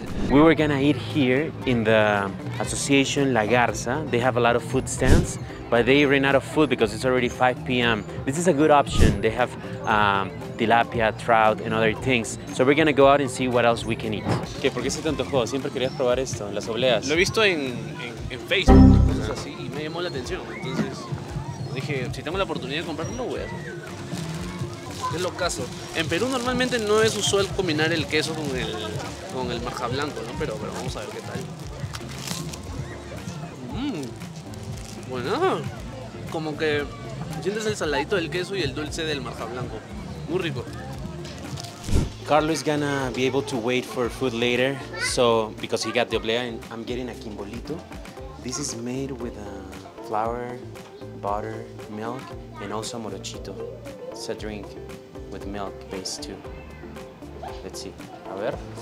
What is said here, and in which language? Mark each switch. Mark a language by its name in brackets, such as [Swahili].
[English] We were gonna eat here in the association La Garza. They have a lot of food stands, but they ran out of food because it's already 5 p.m. This is a good option. They have tilapia, trout, and other things. So we're gonna go out and see what else we can eat. [Spanish] ¿Qué? ¿Por qué se te antojó? Siempre querías probar esto, las obleas. Lo he visto en Facebook, cosas así, y me llamó la atención. Entonces dije, si tengo la oportunidad de comprarlo, voy a hacer. Es lo caso. En Perú normalmente no es usual combinar el queso con el maja blanco, ¿no? Pero vamos a ver qué tal. Bueno, como que sientes el saladito del queso y el dulce del maja blanco. Muy rico. [English] Carlos is gonna be able to wait for food later, so because he got the oblea, and I'm getting a quimbolito. This is made with flour, butter, milk, and also morochito. It's a drink with milk base too. Let's see. [Spanish] A ver.